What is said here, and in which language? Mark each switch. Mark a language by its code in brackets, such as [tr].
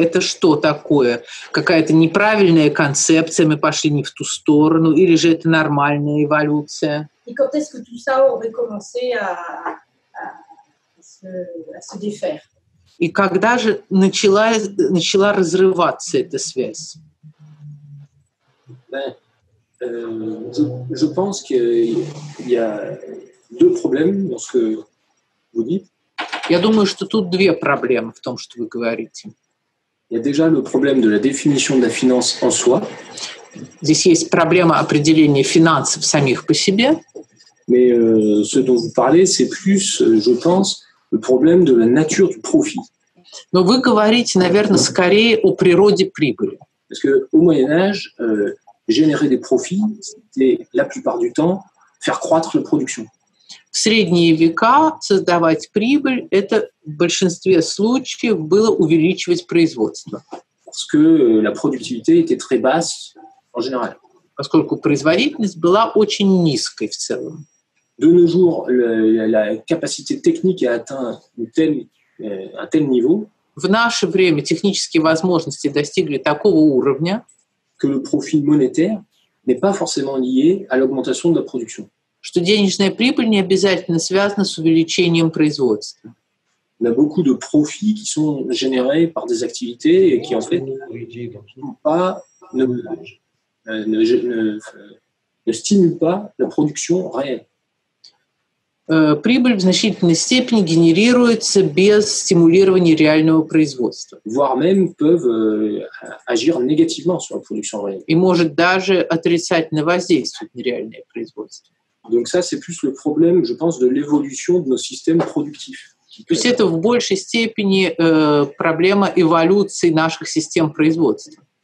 [ru] Это что такое? Какая-то неправильная концепция, мы пошли не в ту сторону, или же это нормальная эволюция? [fr] Et quand est-ce que tout ça aurait commencé à se défaire? [ru] И когда же начала разрываться эта связь? [fr] Je pense qu'il y a deux problèmes dans ce que vous dites. [ru] Я думаю, что тут две проблемы в том, что вы говорите. [fr] Il y a déjà le problème de la définition de la finance en soi. [ru] Здесь есть проблема определения финансов самих по себе. [fr] Mais ce dont vous parlez, c'est plus, je pense, le problème de la nature du profit. [ru] Но вы говорите, наверное, скорее о природе прибыли. [fr] Parce que au Moyen-Âge, générer des profits, c'était la plupart du temps faire croître la production. [ru] В средние века создавать прибыль – это в большинстве случаев было увеличивать производство. [fr] Parce que la productivité était très basse en général. [ru] Поскольку производительность была очень низкой в целом. [fr] De nos jours, la capacité technique a atteint un tel niveau. [ru] В наше время технические возможности достигли такого уровня, [fr] que le profit monétaire n'est pas forcément lié à l'augmentation de la production. [ru] Что денежная прибыль не обязательно связана с увеличением производства. [fr] Il y a beaucoup de profits qui sont générés par des activités et qui, en fait, ne stimulent pas la production réelle. [ru] Прибыль в значительной степени генерируется без стимулирования реального производства. [fr] Voire même peuvent agir négativement sur la production réelle. [ru] И может даже отрицательно воздействовать на реальное производство. [fr] Donc ça, c'est plus le problème, je pense, de l'évolution de nos systèmes productifs. [ru] То есть это в большей степени проблема эволюции наших систем производства.